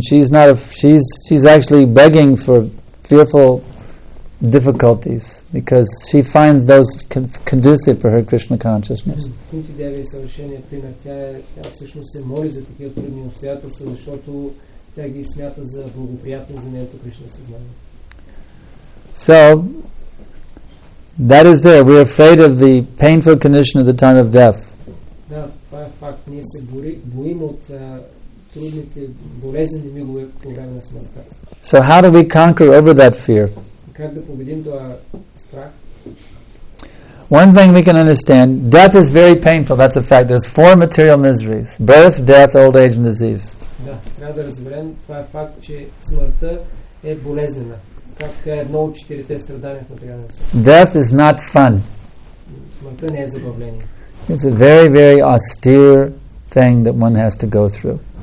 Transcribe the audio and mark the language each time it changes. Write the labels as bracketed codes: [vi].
[en] She's actually begging for fearful difficulties because she finds those conducive for her Krishna consciousness. Kunti Devi is a [bg] решение пример. Тя всъщност се моли за такива трудни обстоятелства, защото тя ги смята за благоприятни за нейното Кришна съзнание. [en] So that is there. We are afraid of the painful condition of the time of death. [bg] Да, това е факт. Ние се боим от трудните, болезнени мигове по време на смъртта. [en] So how do we conquer over that fear? [bg] Как да победим този страх? [en] One thing we can understand, death is very painful, that's a fact. There's four material miseries: birth, death, old age and disease. [bg] Да, трябва да разберем, това е факт, че смъртта е болезнена. Как тя е едно от четирите страдания в материалния свят. [en] Death is not fun. [bg] Смъртта не е забавление. [en] It's a very, very austere thing that one has to go through.